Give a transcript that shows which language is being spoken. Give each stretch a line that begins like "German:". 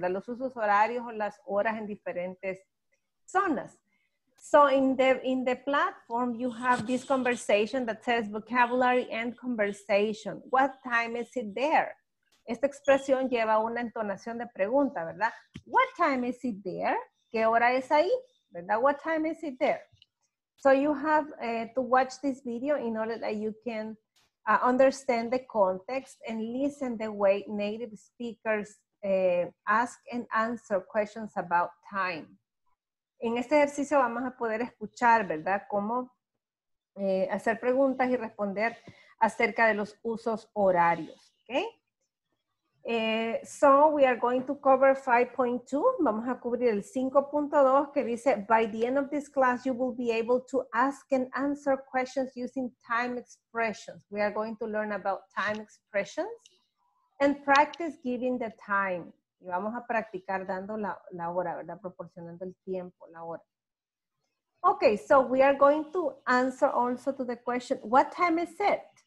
Spanish: Los usos horarios o las horas en diferentes zonas.
English: So in the platform, you have this conversation that says vocabulary and conversation. What time is it there?
Spanish: Esta expresión lleva una entonación de pregunta, ¿verdad?
English: What time is it there?
Spanish: ¿Qué hora es ahí? ¿Verdad?
English: What time is it there? So you have to watch this video in order that you can understand the context and listen the way native speakers ask and answer questions about time.
Spanish: En este ejercicio vamos a poder escuchar, ¿verdad? Cómo hacer preguntas y responder acerca de los usos horarios, ¿ok?
English: So, we are going to cover 5.2.
Spanish: Vamos a cubrir el 5.2 que dice,
English: by the end of this class, you will be able to ask and answer questions using time expressions. We are going to learn about time expressions and practice giving the time.
Spanish: Y vamos a practicar dando la hora, ¿verdad? Proporcionando el tiempo, la hora.
English: Okay, so we are going to answer also to the question, what time is it?